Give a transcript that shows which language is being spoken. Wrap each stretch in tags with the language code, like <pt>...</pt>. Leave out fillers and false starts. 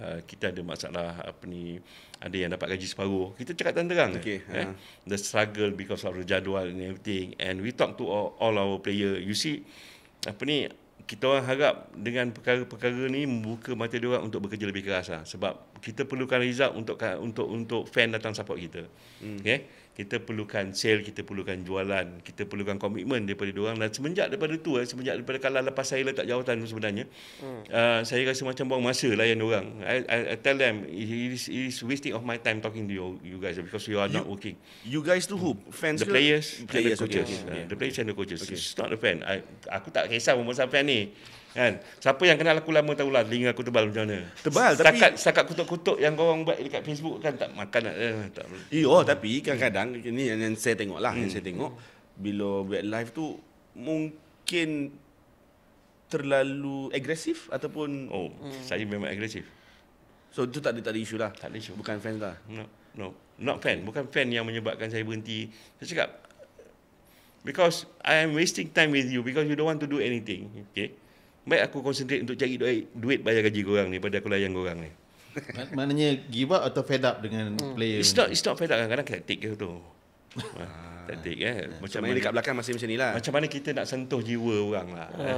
<ms>Kita ada masalah apa ni, ada yang dapat gaji separuh. Kita cakap terang-terang. Okay.</ms> <en>The struggle because of the jadual and everything. And we talk to all our player. You see,</en> <ms>apa ni, kita orang harap dengan perkara-perkara ni membuka mata dia orang untuk bekerja lebih keras lah. Sebab kita perlukan result untuk fan datang support kita. Okay. Kita perlukan sale, kita perlukan jualan, kita perlukan komitmen daripada dia orang. Dan semenjak daripada tu, semenjak daripada kalah lepas saya letak jawatan tu sebenarnya, saya rasa macam buang masa layan dia orang.</ms> <en>I tell them, it is wasting of my time talking to you guys because you are not working. You guys to who? Fans? The players and the coaches. The players and the coaches. It's not the fan.</en> <ms>Aku tak kisah pembesar fan ni. Kan? Siapa yang kenal aku lama tahulah telinga aku tebal macam mana. Tebal setakat, setakat kutuk-kutuk yang korang buat dekat Facebook kan tak makan nak. Tapi kadang-kadang ni yang saya tengok lah, yang saya tengok bila buat live tu mungkin terlalu agresif ataupun saya memang agresif. So itu tak ada isu lah. Tak ada isu. Bukan fan lah.</ms> <en>No. Not fan,</en> <ms>bukan fan yang menyebabkan saya berhenti. Saya cakap</ms> <en>because I am wasting time with you because you don't want to do anything. Okay.</en> <ms>Baik aku konsentrate untuk cari duit bayar gaji korang ni pada aku layan korang ni. Maknanya</ms> <en>give up</en> <ms>atau</ms> <en>fed up</en> <ms>dengan player?</ms> <en>It's not fed up,</en> <ms>kadang-kadang taktik tu. Taktik kan. Macam mana dekat belakang masih macam ni lah. Macam mana kita nak sentuh jiwa orang lah.</ms>